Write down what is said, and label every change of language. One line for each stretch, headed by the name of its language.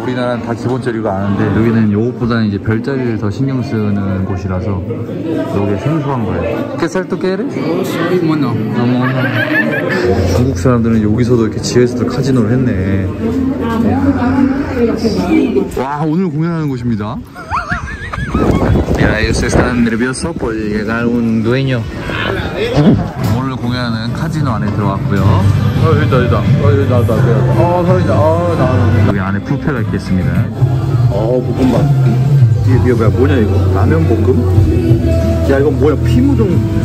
Korean: 우리나라는 다 기본적이고 아는데 여기는 이것보다는 이제 별자리를 더 신경 쓰는 곳이라서 이게 생소한 거예요. 게살토 게르? 뭐노? 뭐노? 중국 사람들은 여기서도 이렇게 지하에서도 카지노를 했네. 와, 오늘 공연하는 곳입니다.
Spanish: Mira, ellos están nerviosos por llegar un dueño.
Korean: 오늘 공연하는 카지노 안에 들어왔고요. 여기 나왔다. 여기 안에 뷔페가 있겠습니다. 볶음밥. 이게 뭐냐 이거? 라면 볶음? 야, 이거 뭐야? 피무중.